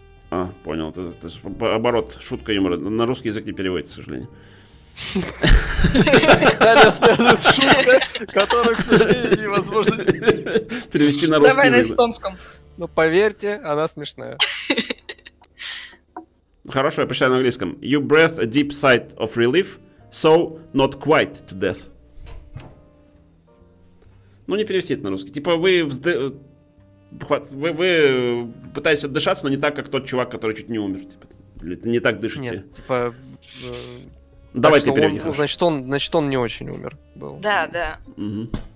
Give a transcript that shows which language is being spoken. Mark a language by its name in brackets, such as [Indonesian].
[Russian] А, понял, это оборот, шутка юмора. На русский язык не переводится, к сожалению. Далее следует шутка, которую, к сожалению, невозможно перевести на русский. Давай на эстонском. Но поверьте, она смешная. Хорошо, я прочитаю на английском. [English] You breathe a deep sigh of relief, so not quite to death. [Russian] Ну, не перевести это на русский. Типа вы вздыхаете. Вы пытаетесь отдышаться, но не так, как тот чувак, который чуть не умер. Типа, не так дышите. Нет, типа... Давайте переведем. Значит, он не очень умер. Да. Угу.